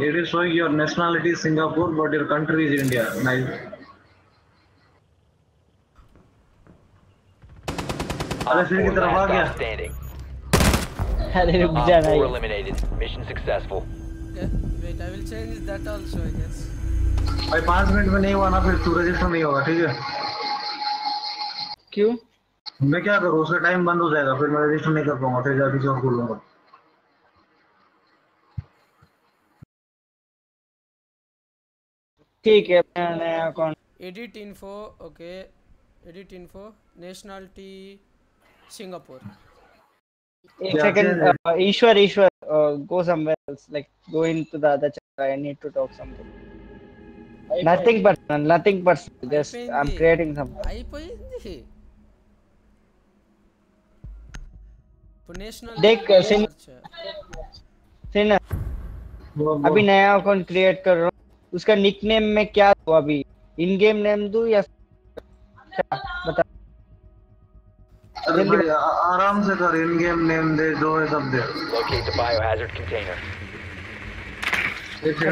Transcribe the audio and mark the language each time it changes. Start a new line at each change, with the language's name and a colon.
English: It is showing your nationality is Singapore, but your country is India. Nice. Standing. Four eliminated. Mission successful. Okay, wait. I will change that also, I guess. By 5 minutes,
Hindi: मैं नहीं वाला फिर तू register नहीं होगा, ठीक है? क्यों? मैं क्या करूँ? उसका time बंद हो जाएगा, फिर मैं register नहीं कर पाऊँगा, फिर जाके job खोल लूँगा. ठीक है, मैं नया account.
English: Edit info, okay. Edit info. Nationality. Singapore. Ishwar, go somewhere else. Like, go into the other channel. I need to talk something. Nothing personal. Just, I'm creating something.
Hindi: अभी नया अकाउंट क्रिएट कर रहा हूँ. उसका nickname में क्या दूँ अभी? इन गेम नेम दूँ या बता? आराम से कर इन गेम नेम दे जो है सब दे.
English: Locate the biohazard container.